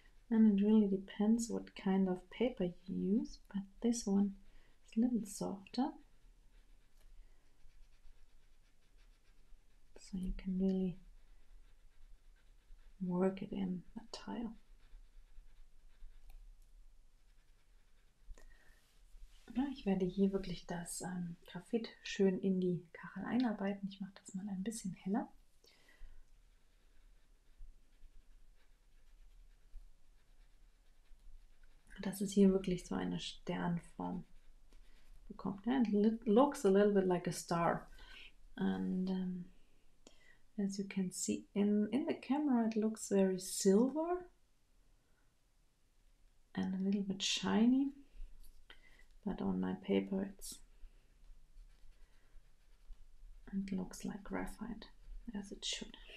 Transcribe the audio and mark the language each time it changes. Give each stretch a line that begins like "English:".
English: And it really depends what kind of paper you use, but this one is a little softer. So you can really work it in a tile.
German: Ich werde hier wirklich das Graphit schön in die Kachel einarbeiten. Ich mache das mal ein bisschen heller. Dass es hier wirklich so eine Sternform bekommt.
English: Yeah, it looks a little bit like a star. And as you can see in the camera, it looks very silver and a little bit shiny. But on my paper, it looks like graphite, as it should.